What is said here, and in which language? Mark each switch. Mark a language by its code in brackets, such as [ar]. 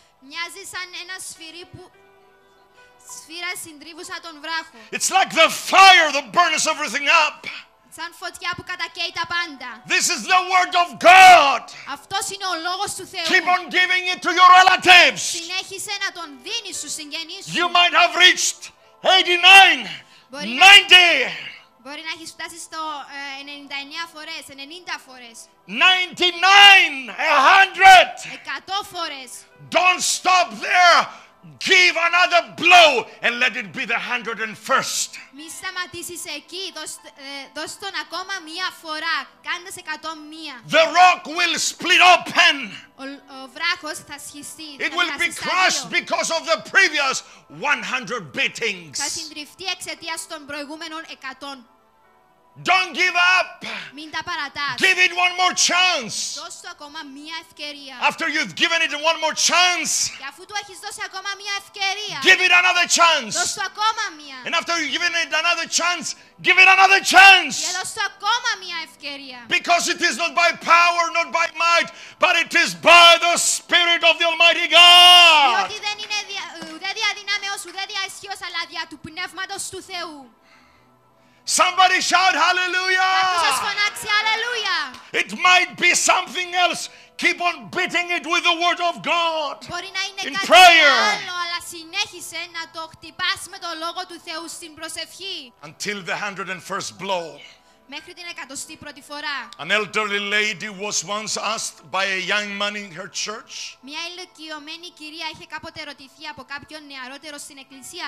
[el] Μοιάζει σαν ένα σφυρί που σφύρα συντρίβουσα τον βράχο. [en] It's like the fire that burns everything up. [el] Σαν φωτιά που κατακαίει τα πάντα. [en] This is the word of God. [el] Αυτός είναι ο λόγος του Θεού. [en] Keep on giving it to your relatives. [el] Συνέχισε να τον δίνεις στους συγγενείς σου. [en] You might have reached 89, 90. [el] Μπορεί να έχεις φτάσει στο 99 φορές, 90 φορές. [en] 99, 100. [el] 100 φορές. [en] Don't stop there. Give another blow and let it be the 101st. [el] Μη σταματήσεις εκεί, δώσ' τον ακόμα μία φορά, κάντες 101. [en] The rock will split open. [el] Ο βράχος θα σχιστεί. [en] It will be crushed because of the previous 100 beatings. [el] Θα συντριφτεί εξαιτίας των προηγούμενων 100. [en] Don't give up. [el] Μην τα παρατάς. [en] Give it one more chance. [el] Δώσ' το ακόμα μία ευκαιρία. [en] After you've given it one more chance. [el] Και αφού του έχεις δώσει ακόμα μία ευκαιρία. [en] Give it another chance. [el] Δώσ' το ακόμα μία. [en] And after you've given it another chance, give it another chance. [el] Και δώσ' το ακόμα μία ευκαιρία. [en] Because it is not by power, not by might, but it is by the Spirit of the Almighty God. [el] Διότι δεν είναι ούτε δια δυνάμεως, ούτε δια ισχύως, αλλά δια του Πνεύματος του Θεού. [en] Somebody shout hallelujah! [el] Κάποιος φωνάξει hallelujah! [en] It might be something else. Keep on beating it with the word of God. [el] Μπορεί να είναι κάτι άλλο, αλλά συνέχισε να το χτυπάς με το λόγο του Θεού στην προσευχή. [en] Until the 101st blow. [el] Μέχρι την 101η φορά. [en] An elderly lady was once asked by a young man in her church. [el] Μια ηλικιωμένη κυρία είχε κάποτε ερωτηθεί από κάποιον νεαρότερο στην εκκλησία.